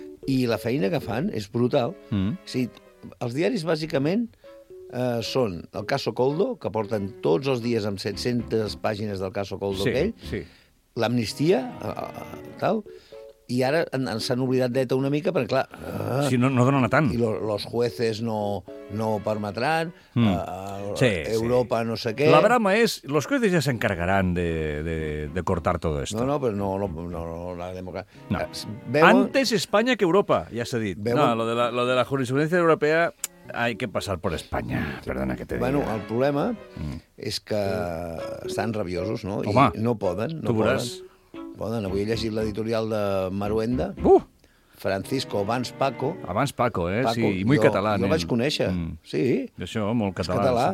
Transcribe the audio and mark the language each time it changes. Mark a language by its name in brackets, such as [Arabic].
[Catalan] I la feina que fan és brutal. Sí, els diaris, bàsicament, són el Caso Coldo, que porten tots els dies amb 700 pàgines del Caso Coldo aquell. Sí. L'amnistia, tal... I ara s'han oblidat d'ETA una mica, perquè, clar... Sí, no donen a tant. I [Spanish] los jueces [Catalan] no ho permetran. Europa, sí. No sé què... La brama és... [Spanish] Los jueces [Catalan] ja s'encargaran de [Spanish] cortar [Catalan] tot [Spanish] esto. [Catalan] No, però no la democràcia... [Spanish] No. Antes España que Europa, [Catalan] ja s'ha dit. Veuen? [Spanish] No, lo de la jurisprudencia europea... Hay que pasar por España, perdona que te diga. [Catalan] Bueno, el problema és que estan rabiosos, no? Home, i no poden, no tu veuràs... Poden, avui he llegit l'editorial de Maruenda. Francisco, abans Paco. Abans Paco, Paco, sí, i molt català. Jo vaig conèixer, sí. Això, molt català. És català.